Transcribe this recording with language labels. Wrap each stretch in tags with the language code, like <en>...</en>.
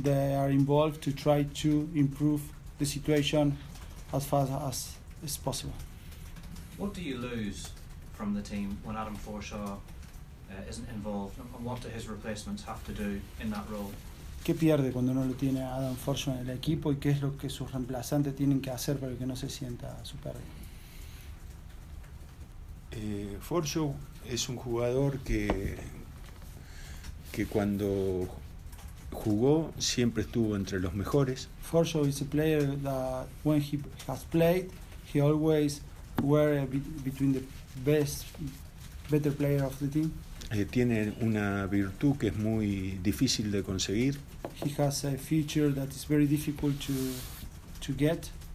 <en>They are involved to try to improve the situation as fast as is possible. What do you lose from the team when Adam Forshaw isn't involved, and what do his replacements have to do in that role?</en> <es>¿Qué pierde cuando no lo tiene Adam Forshaw en el equipo y qué es lo que sus reemplazantes tienen que hacer para que no se sienta su pérdida? Forshaw es un jugador que cuando jugó siempre estuvo entre los mejores.</es> <en>Forshaw is a player that when he has played, he always were between the better player of the team.</en> <es>Tiene una virtud que es muy difícil de conseguir.</es> <en>He has a feature that is very difficult to get.</en>